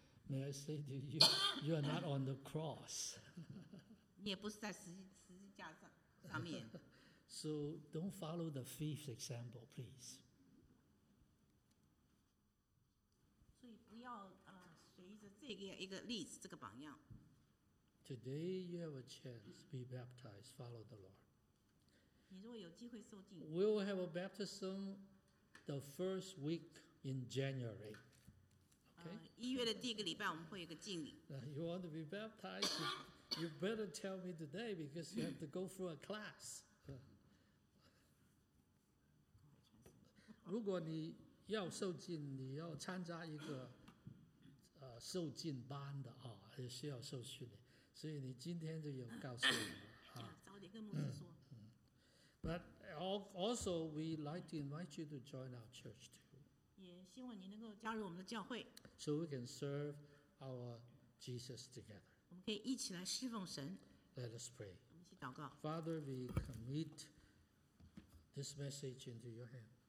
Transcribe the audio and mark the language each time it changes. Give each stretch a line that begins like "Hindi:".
English: May I say to you, you are not on the cross.
Chinese: 你也不是在十字架上面。
English: So don't follow the thief's example, please.
Chinese: 所以不要随着一个例子这个榜样。
English: Today you have a chance to be baptized, follow the Lord.
Chinese: 你如果有机会受浸。
English: We'll have a baptism the first week in January.
Chinese: 一月的第一个礼拜，我们会有一个敬礼。
English: You want to be baptized? You better tell me today because you have to go through a class.
Chinese: 如果你要受浸，你要参加一个受浸班的啊，也需要受训练。所以你今天就有告诉我啊，早点跟牧师说。
English: But also, we like to invite you to join our church too.
Chinese: 也希望你能够加入我们的教会
English: ，so we can serve our Jesus together.
Chinese: 我们可以一起来侍奉神。
English: Let us pray.
Chinese: 我们一起祷告。
English: Father, we commit this message into your hand.